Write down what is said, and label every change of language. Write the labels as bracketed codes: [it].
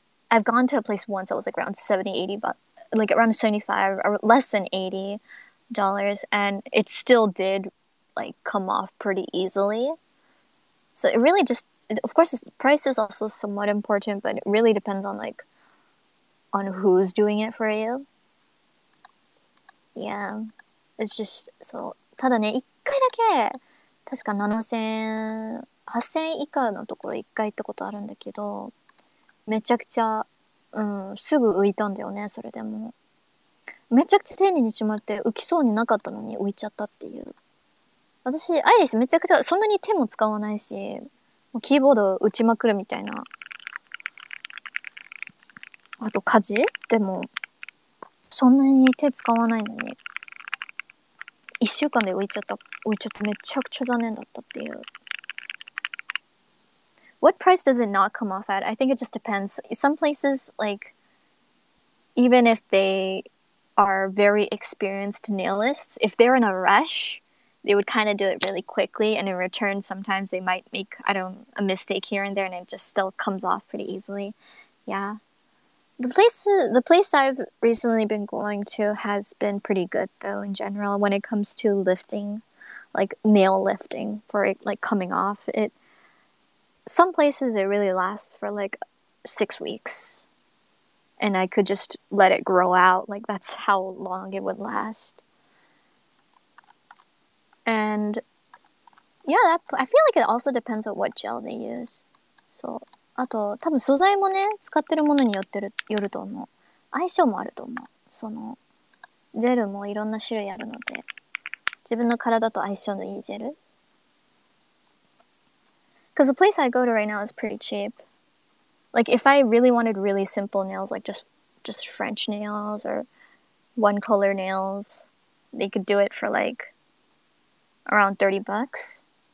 [en] I've gone to a place once that was like around 70-80, but like around 75 or less than 80 dollars, and it still did like come off pretty easily. So it really just, of course, price is also somewhat important, but it really depends on like on who's doing it for you. Yeah, it's just so. [ja] ただね、一回だけ確か7,000-8,000以下のところ一回行ったことあるんだけど、めちゃくちゃすぐ浮いたんだよね。それでも。めちゃくちゃ丁寧にしまって浮きそうになかったのに浮いちゃったっていう。私アイリスめちゃくちゃそんなに手も使わないし、もうキーボード打ちまくるみたいな、あと家事でもそんなに手使わないのに一週間で浮いちゃってめちゃくちゃ残念だったっていう。 [en] What price does it not come off at? I think it just depends. Some places, like even if theyare very experienced nailists, if they're in a rush, they would kind of do it really quickly, and in return, sometimes they might make, a mistake here and there, and it just still comes off pretty easily. Yeah. The place I've recently been going to has been pretty good, though, in general, when it comes to lifting, like, nail lifting for, it, like, coming off. It, some places, it really lasts for, like, 6 weeks. And I could just let it grow out. Like, that's how long it would last. And, yeah, that, I feel like it also depends on what gel they use. [ja] So, あと、多分素材もね、使ってるものによってる、よると思う。相性もあると思う。その、ジェルもいろんな種類あるので、自分の体と相性のいいジェル。 [en] Because the place I go to right now is pretty cheap. Like, if I really wanted really simple nails, like just French nails or one color nails, they could do it for like around 30 bucks.